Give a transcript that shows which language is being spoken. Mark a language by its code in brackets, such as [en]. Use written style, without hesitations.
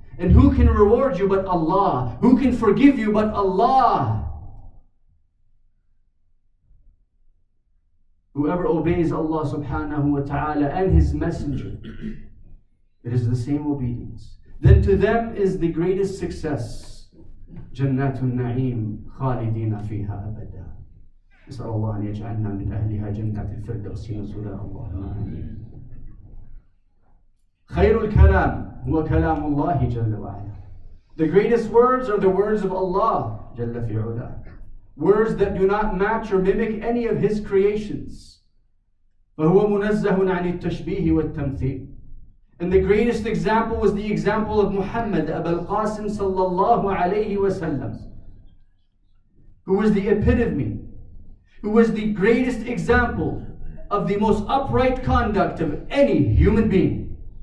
[en] And who can reward you but Allah? Who can forgive you but Allah? Whoever obeys Allah subhanahu wa ta'ala and His Messenger, it is the same obedience. Then to them is the greatest success. [ar] جنات النعيم خالدين فيها أبدا. نسأل الله أن يجعلنا من أهلها جنات الفردوس نزلا. الله خير الكلام هو كلام الله جل وعلا. [en] The greatest words are the words of Allah جل في علا. Words that do not match or mimic any of His creations. [ar] فهو منزه عن التشبيه والتمثيل. [en] And the greatest example was the example of Muhammad Abu al-Qasim sallallahu alayhi wa sallam, who was the epitome, who was the greatest example of the most upright conduct of any human being.